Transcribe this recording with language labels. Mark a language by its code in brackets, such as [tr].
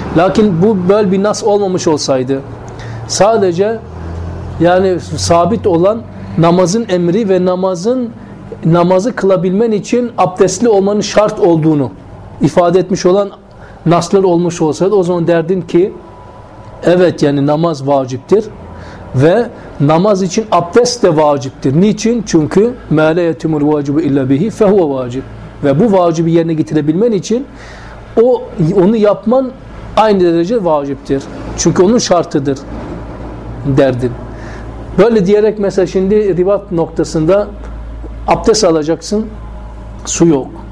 [tr] Lakin bu böyle bir nas olmamış olsaydı, sadece yani sabit olan namazın emri ve namazı kılabilmen için abdestli olmanın şart olduğunu ifade etmiş olan naslar olmuş olsaydı, o zaman derdin ki evet, yani namaz vaciptir. Ve namaz için abdest de vaciptir. Niçin? Çünkü [ar] مَا لَا يَتُمُ الْوَاجِبُ اِلَّا بِهِ فَهُوَ وَاجِبُ. [tr] Ve bu vacibi yerine getirebilmen için onu yapman aynı derece vaciptir. Çünkü onun şartıdır derdin. Böyle diyerek mesela şimdi rivat noktasında abdest alacaksın, su yok.